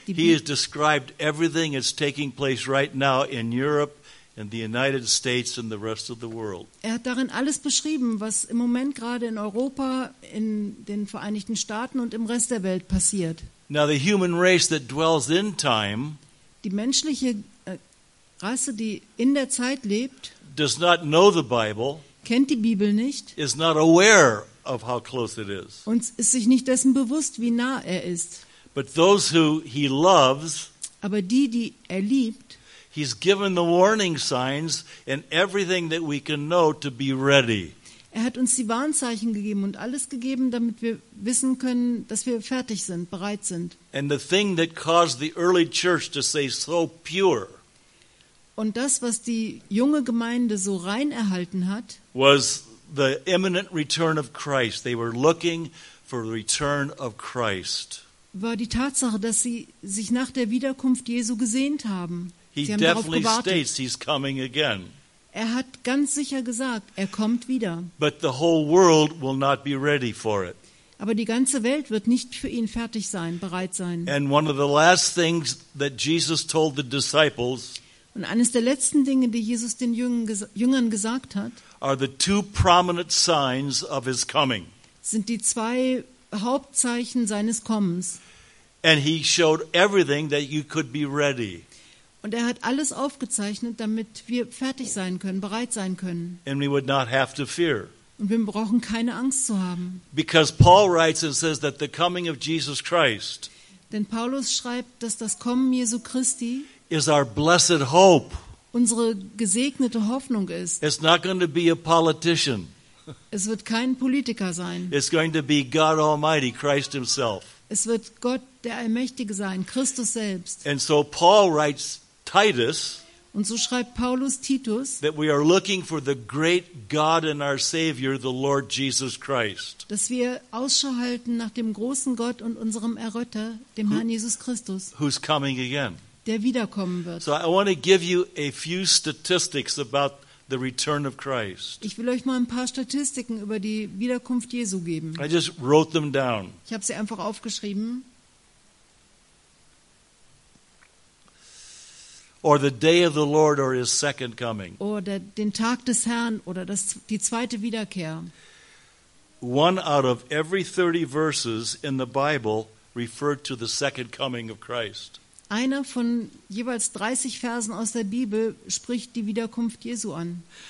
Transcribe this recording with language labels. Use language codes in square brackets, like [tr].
[en] die he has described everything that's taking place right now in Europe, in the United States, and the rest of the world. [de] Er hat darin alles beschrieben, was im Moment gerade in Europa, in den Vereinigten Staaten und im Rest der Welt passiert. [en] Now the human race that dwells in time, [de] die menschliche Rasse, die in der Zeit lebt, [en] does not know the Bible, [de] kennt die Bibel nicht, [en] is not aware of how close it is. [de] Und ist sich nicht dessen bewusst, wie nah er ist. [en] But those who he loves, [de] aber die, die er liebt, [en] he's given the warning signs and everything that we can know to be ready. [de] Er hat uns die Warnzeichen gegeben und alles gegeben, damit wir wissen können, dass wir fertig sind, bereit sind. [en] And the thing that caused the early church to say so pure, [de] und das, was die junge Gemeinde so rein erhalten hat, [en] was the imminent return of Christ. They were looking for the return of Christ. [de] War die Tatsache, dass sie sich nach der Wiederkunft Jesu gesehnt haben. [en] He [de] haben [en] definitely states he's coming again. [de] Er hat ganz sicher gesagt, er kommt wieder. [en] But the whole world will not be ready for it. [de] Aber die ganze Welt wird nicht für ihn fertig sein, bereit sein. [en] And one of the last things that Jesus told the disciples, [de] und eines der letzten Dinge, die Jesus den Jüngern gesagt hat, [en] are the two prominent signs of his coming. [de] Sind die zwei Hauptzeichen seines Kommens. [en] And he showed everything that you could be ready. [de] Und er hat alles aufgezeichnet, damit wir fertig sein können, bereit sein können. [en] And we would not have to fear. [de] Und wir brauchen keine Angst zu haben. [en] Because Paul writes and says that the coming of Jesus Christ, [de] denn Paulus schreibt, dass das Kommen Jesu Christi [en] is our blessed hope. [de] Unsere gesegnete Hoffnung ist. [en] It's not going to be a politician. [de] Es wird kein Politiker sein. [en] It's going to be God Almighty, Christ himself. [de] Es wird Gott der Allmächtige sein, Christus selbst. [en] And so Paul writes Titus, [de] und so schreibt Paulus Titus, [en] that we are looking for the great God and our Savior, the Lord Jesus Christ. [de] Dass wir Ausschau halten nach dem großen Gott und unserem Erretter, dem Herrn Jesus Christus. [en] Who's coming again? [de] Der wiederkommen wird. [en] So I want to give you a few statistics about the return of Christ. [de] Ich will euch mal ein paar Statistiken über die Wiederkunft Jesu geben. [en] I just wrote them down. [de] Ich habe sie einfach aufgeschrieben. [en] Or the day of the Lord or his second coming. [de] Oder den Tag des Herrn oder das, die zweite Wiederkehr. [en] One out of every 30 verses in the Bible referred to the second coming of Christ. [de] Einer von jeweils 30 Versen aus der Bibel spricht die Wiederkunft Jesu an.